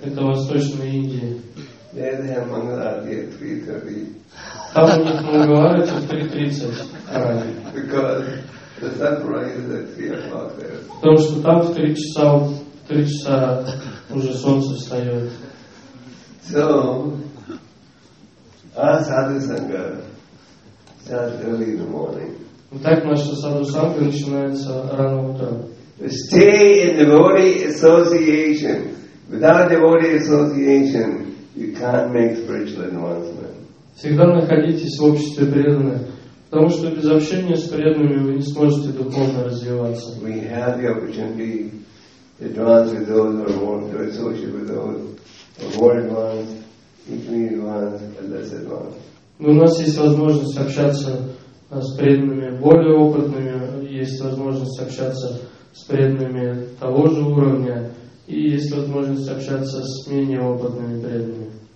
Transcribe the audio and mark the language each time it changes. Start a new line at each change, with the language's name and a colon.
Russian: Это восточная Индия.
English: There they have Mangalarati at 3:30.
Russian: Там у них Мангаларати в 3:30.
English: Because the sunrise is at 3:00 there.
Russian: Потому что там в 3 часа уже солнце встает.
English: So, our sadhusanga starts early in the morning.
Russian: Вот так наша садху-санга начинается рано утром.
English: Stay in devotee association. Without devotee association, you can't make spiritual advancement.
Russian: Всегда находитесь в обществе преданных, потому что без общения с преданными вы не сможете духовно развиваться.
English: We have the opportunity to advance with those who are more, to associate with those who are more advanced, equally advanced, and less advanced.
Russian: Но у нас есть возможность общаться с преданными более опытными, есть возможность общаться с преданными того же уровня, и есть возможность общаться с менее опытными преданными.